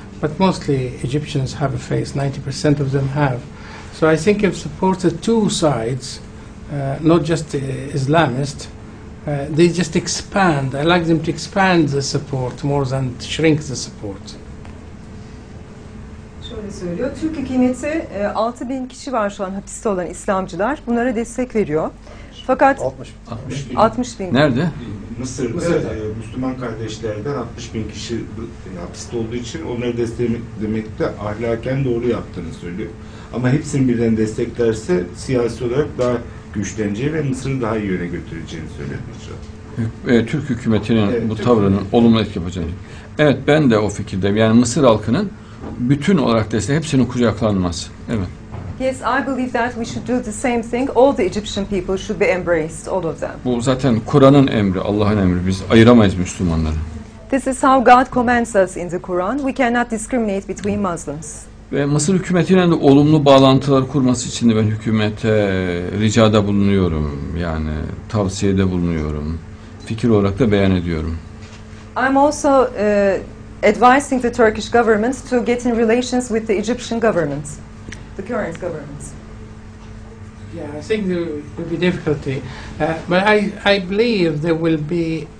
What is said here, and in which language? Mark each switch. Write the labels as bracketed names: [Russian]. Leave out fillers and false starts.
[English] But mostly Egyptians have a faith, 90% of them have. So I think if support the two sides, not just the Islamist, they just expand. I like them to expand the support more than shrink the support. [Turkish] Söylüyor. Türk hükümeti 6000 kişi var şu an hapiste olan İslamcılar. Bunlara destek veriyor. Fakat 60 bin. Nerede? Mısır'da evet. Müslüman kardeşlerden 60.000 kişi hapiste olduğu için onları desteklemek de ahlaken doğru yaptığını söylüyor. Ama hepsini birden desteklerse siyasi olarak daha güçleneceği ve Mısır'ı daha iyi yöne götüreceğini söylüyor. Türk hükümetinin bu tavrının olumlu etki yapacağını. Evet, ben de o fikirdeyim. Yani Mısır halkının bütün olarak desteği, hepsinin kucaklanması. Evet. [English] Yes, I believe that we should do the same thing. All the Egyptian people should be embraced, all of them. [Turkish] Bu zaten Kur'an'ın emri, Allah'ın emri. Biz ayıramayız Müslümanları. [English] This is how God commands us in the Quran. We cannot discriminate between Muslims. [Turkish] Evet. Ve Mısır hükümetiyle de olumlu bağlantılar kurması için de ben hükümete ricada bulunuyorum. Yani tavsiyede bulunuyorum. Fikir olarak da beyan ediyorum. [English] I'm also advising the Turkish government to get in relations with the Egyptian government, the current government. Yeah, I think there will be difficulty. But I believe there will be...